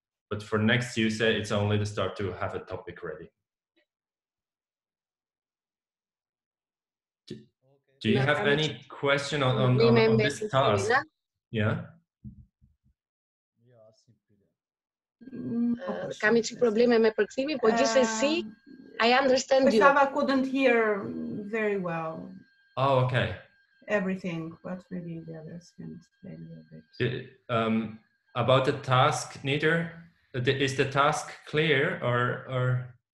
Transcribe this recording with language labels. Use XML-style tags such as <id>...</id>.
<en>But for next Tuesday, it's only the start to have a topic ready. Do you have any question on this task? Yeah.</en> <sq>Kam një probleme me përkthimin, por gjithsesi,</sq> <en>I understand you. Pesava couldn't hear very well. Oh, okay. Everything, but maybe the others can explain a bit. About the task, Nidhir, is the task clear or?</en>